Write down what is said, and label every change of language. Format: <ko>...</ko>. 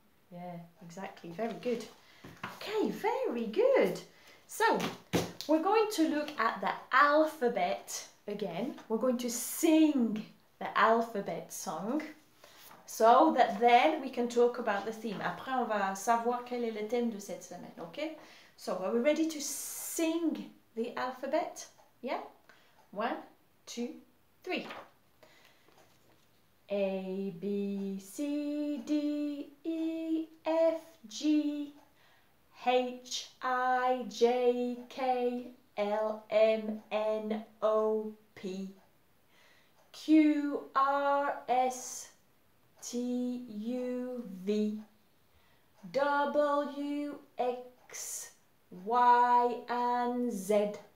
<en>Yeah, exactly. Very good. Okay, very good. So, we're going to look at the alphabet again. We're going to sing the alphabet song so that then we can talk about the theme.</en> <fr>Après, on va savoir quel est le thème de cette semaine, okay?</fr> <en>So, are we ready to sing the alphabet? Yeah? One, two, three. A, B, C, D, E, F, G, H, I, J, K, L, M, N, O, P, Q, R, S, T, U, V, W, X, Y, and Z.</en>